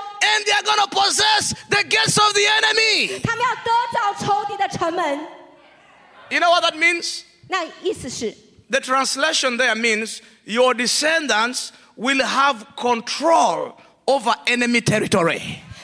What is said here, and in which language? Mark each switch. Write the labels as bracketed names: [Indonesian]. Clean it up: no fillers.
[English] And they are going to possess the gates of the enemy. [Chinese] 他们要得着仇敌的城门。 [English] You know what that means? [Chinese] 那意思是, [English] the translation there means your descendants will have control over enemy territory.